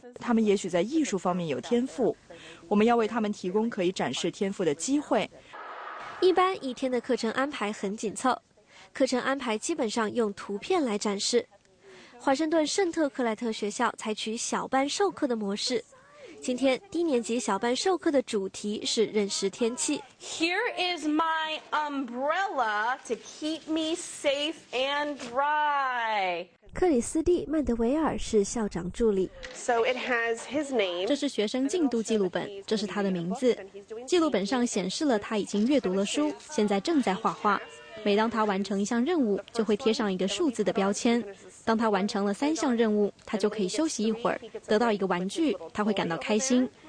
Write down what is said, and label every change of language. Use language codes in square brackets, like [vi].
[zh] 他们也许在艺术方面有天赋，我们要为他们提供可以展示天赋的机会。一般一天的课程安排很紧凑，课程安排基本上用图片来展示。华盛顿圣特克莱特学校采取小班授课的模式。今天低年级小班授课的主题是认识天气。 [en] Here is my umbrella to keep me safe and dry. [zh] 克里斯蒂·曼德维尔是校长助理。 [en] So it has his name. [zh] 这是学生进度记录本，这是他的名字。记录本上显示了他已经阅读了书，现在正在画画。每当他完成一项任务，就会贴上一个数字的标签。当他完成了3项任务，他就可以休息一会儿，得到一个玩具，他会感到开心。